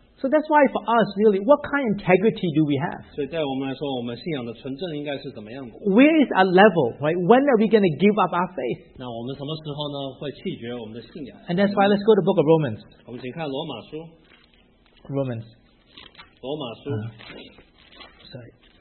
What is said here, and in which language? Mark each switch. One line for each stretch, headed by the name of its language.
English: So that's why for us, really, what kind of integrity do we have?
Chinese: 所以对我们来说，我们信仰的纯正应该是怎么样的？
English: Where is our level, right? When are we going to give up our faith?
Chinese: 那我们什么时候呢，会弃绝我们的信仰？
English: And that's why let's go to the book of Romans.
Chinese: 我们请看罗马书。
English: Romans.
Chinese: 罗马书。
English: Sorry.